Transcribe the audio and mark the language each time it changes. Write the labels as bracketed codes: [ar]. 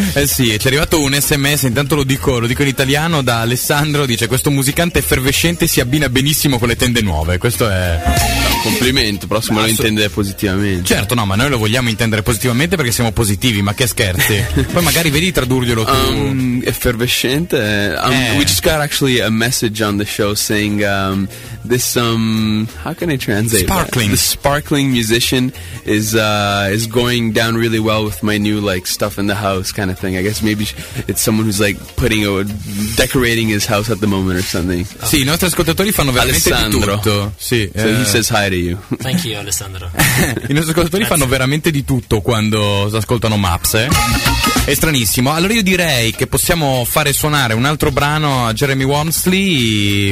[it] Eh sì, ci è arrivato un sms, intanto lo dico in italiano, da Alessandro. Dice: questo musicante effervescente si abbina benissimo con le tende nuove. Questo è... complimento, però se me lo intende positivamente. Certo, no, ma noi lo vogliamo intendere positivamente, perché siamo positivi, ma che scherzi. Poi magari vedi tradurglielo tu. Effervescente. [en] We just got actually a message on the show saying this how can I translate? Sparkling. The sparkling musician is going down really well with my new like stuff in the house kind of thing. I guess maybe it's someone who's like putting a decorating his house at the moment or something. [it] Sì, i nostri ascoltatori fanno veramente Alessandro di tutto. Sì, [en] so he says hi to you. Thank you, Alessandro. [it] I nostri ascoltatori fanno veramente di tutto quando ascoltano Maps, eh? È stranissimo. Allora io direi che possiamo fare suonare un altro brano a Jeremy Wamsley.